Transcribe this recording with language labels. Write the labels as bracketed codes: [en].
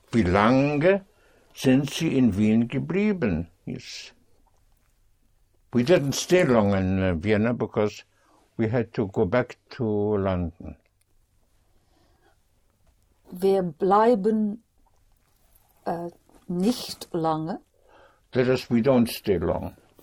[de] Wie lange sind Sie in Wien geblieben? [en] Yes. We didn't stay long in Vienna because we had to go back to London. [de] Wir bleiben nicht lange. [en] That is, we don't stay long.